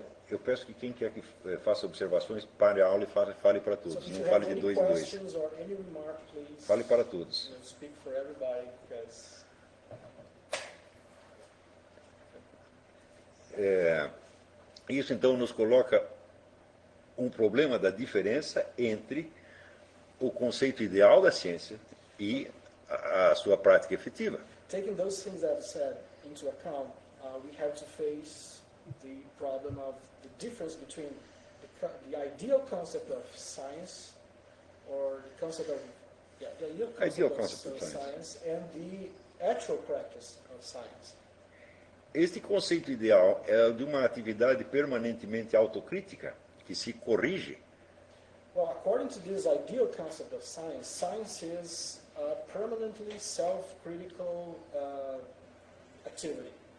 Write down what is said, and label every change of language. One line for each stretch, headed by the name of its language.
Portuguese: Eu peço que quem quer que faça observações, pare a aula e fale para todos.
English: So,
Portuguese: não fale de dois em dois.
English: Remark, please,
Portuguese: fale para todos.
English: Speak for everybody, because...
Portuguese: Isso, então, nos coloca um problema da diferença entre o conceito ideal da ciência e a sua prática efetiva.
English: Taking those things that I've said into account, we have to face the problem of the difference between the ideal concept of science or the concept of ideal concept of science and the actual practice of science.
Portuguese: Este conceito ideal é de uma atividade permanentemente autocrítica que se corrige.
English: Well, according to this ideal concept of science, science is a permanently self-critical activity.